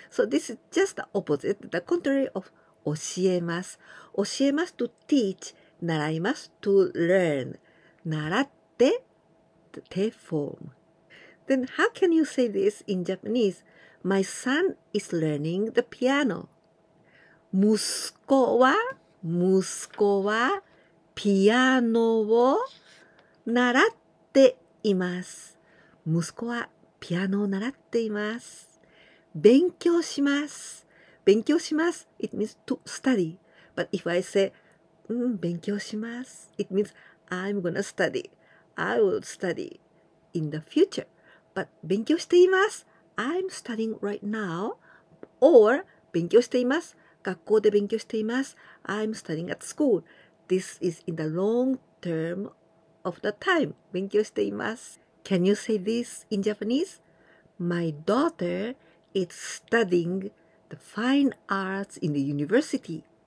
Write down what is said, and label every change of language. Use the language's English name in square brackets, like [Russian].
[English] So this is just the opposite, the contrary of 教えます。教えます to teach, 習います to learn. 習って te form. Then how can you say this in Japanese? My son is learning the piano. [Japanese] 息子はピアノを習っています。息子はピアノを習っています。勉強します。勉強します。 [English] It means to study. But if I say, 勉強します, it means I'm gonna study. I will study in the future. But [Japanese] 勉強しています, [English] I'm studying right now. Or 勉強しています, [Japanese] 学校で勉強しています。 [English] I'm studying at school. This is in the long term of the time. [Japanese] 勉強しています。 [English] Can you say this in Japanese? My daughter is studying the fine arts in the university.